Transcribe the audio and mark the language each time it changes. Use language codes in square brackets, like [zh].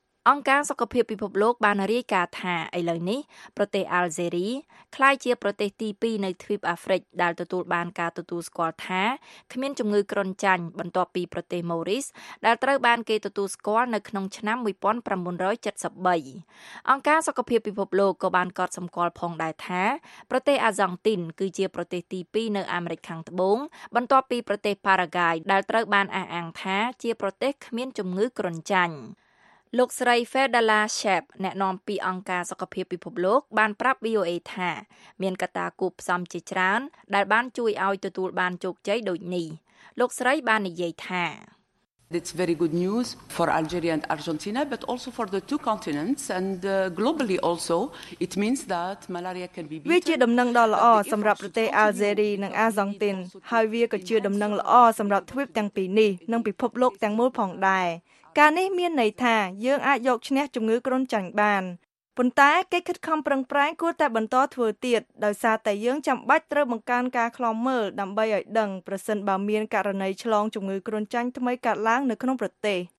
[km] អង្គការសុខភាពពិភពលោកបានរាយការណ៍ថាឥឡូវនេះប្រទេសអាល់ហ្សេរីក្លាយជាប្រទេសទី2នៅទ្វីបអាហ្វ្រិកដែលទទួលបានការទទួលស្គាល់ថាគ្មានជំងឺគ្រុនចាញ់បន្ទាប់ពីប្រទេសម៉ូរីសដែលត្រូវបានគេទទួលស្គាល់នៅក្នុងឆ្នាំ1973អង្គការសុខភាពពិភពលោកក៏បានកត់សម្គាល់ផងដែរថាប្រទេសអាសង់ទីនគឺជាប្រទេសទី2នៅអាមេរិកខាងត្បូងបន្ទាប់ពីប្រទេសប៉ារ៉ាហ្គាយដែលត្រូវបានអះអាងថាជាប្រទេសគ្មានជំងឺគ្រុនចាញ់ លោកស្រី Fedala Shep អ្នកនាំពាក្យអង្គការសុខភាពពិភពលោកបានប្រាប់ VOA ថាមានកត្តាគួបផ្សំជាច្រើនដែលបានជួយឲ្យទទួលបានជោគជ័យដូចនេះលោកស្រីបាននិយាយថា [en] It's very good news for Algeria and Argentina, but also for the two continents and globally also. It means that malaria can be beaten. [km] វាជាដំណឹងដ៏ល្អសម្រាប់ប្រទេសអាល់ហ្សេរីនិងអាសង់ទីនហើយវាក៏ជាដំណឹងល្អសម្រាប់ទ្វីបទាំងពីរនេះនិងពិភពលោកទាំងមូលផងដែរការនេះមានន័យថាយើងអាចយកឈ្នះជំងឺគ្រុនចាញ់បានប៉ុន្តែគេខិតខំប្រឹងប្រែងគួរតែបន្តធ្វើទៀតដោយសារតែយើងចាំបាច់ត្រូវបង្កើនការឃ្លាំមើលដើម្បីឲ្យដឹងប្រសិនបើមានករណីឆ្លងជំងឺគ្រុនចាញ់ថ្មីកើតឡើងនៅក្នុងប្រទេស